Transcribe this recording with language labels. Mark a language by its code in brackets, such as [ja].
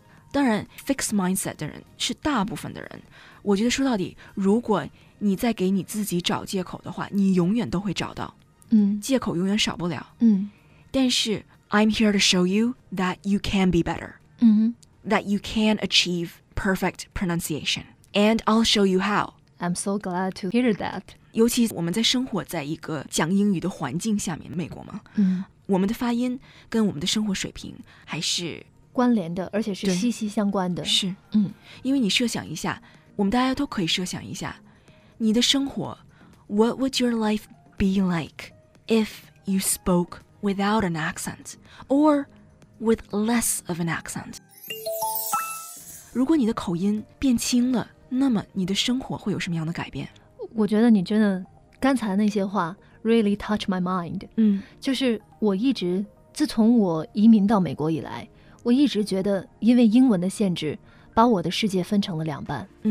[zh] 当然 fixed mindset 的人是大部分的人，我觉得说到底，如果你在给你自己找借口的话，你永远都会找到、借口永远少不了、但是 [en] I'm here to show you that you can be better、That you can achieve perfect pronunciation. And I'll show you how. I'm so glad to hear that. [zh] 尤其我们在生活在一个讲英语的环境下面，美国嘛，我们的发音跟我们的生活水平还是关联的，而且是息息相关的。是，因为你设想一下，我们大家都可以设想一下，你的生活 [en] What would your life be like if you spoke without an accent or with less of an accent? [zh] 如果你的口音变轻了，那么你的生活会有什么样的改变？我觉得你真的刚才那些话 [en] really touch my mind。 [zh] 就是我一直自从我移民到美国以来，我一直觉得因为英文的限制把我的世界分成了两半。